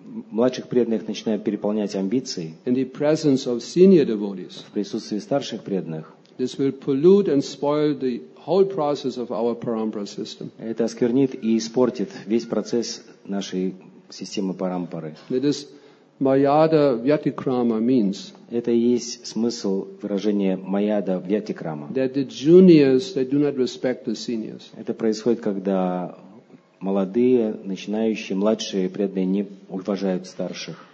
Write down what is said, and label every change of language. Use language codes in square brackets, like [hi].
[ru] младших преданных начинают переполнять амбиции. [en] In the presence of senior devotees, [ru] в присутствии старших преданных. [en] This will pollute and spoil the whole process of our parampara system. [ru] Это осквернит и испортит весь процесс нашей системы парампары. [en] It is mayada vyatikrama means. [ru] Это и есть смысл выражения mayada vyatikrama. [en] That the juniors they do not respect the seniors. [ru] Это происходит, когда молодые, начинающие, младшие преданные не уважают старших.